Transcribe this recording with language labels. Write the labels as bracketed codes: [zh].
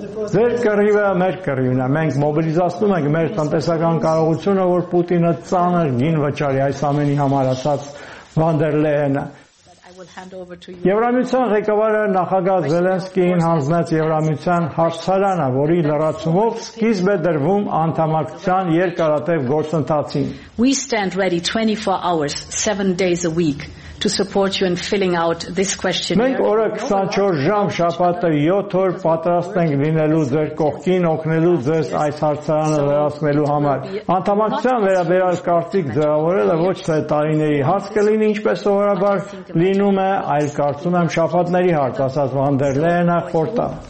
[hy] Ձեր կռիվը մեր կռիվն է, մենք մոբիլիզացնում ենք մեր տնտեսական կարողությունը, որ Պուտինը ծանր գին վճարի այս ամենի համար, ասաց վոն դեր Լեյենը։ Եվրամիության ղեկավարը նախագահ Զելենսկին հանձնեց Եվրամիության հարցարանը, որի լրացումով սկիզբ է դրվում անդամակցության երկարատև գործընթացին։ [en] We stand ready 24 hours, 7 days a week to support you in filling out this questionnaire. [hy] Մենք օրը 24 ժամ, շաբաթը 7 օր պատրաստ ենք լինելու ձեր կողքին, օգնելու ձեզ այս հարցարանը լրացնելու համար։ Անդամակցության վերաբերյալ կարծիք ձևավորելը ոչ թե տարիների հարց կլինի, ինչպես սովորաբար լինում է, այլ կարծում եմ շաբաթների հարց, ասաց վոն դեր Լեյենը խորտա։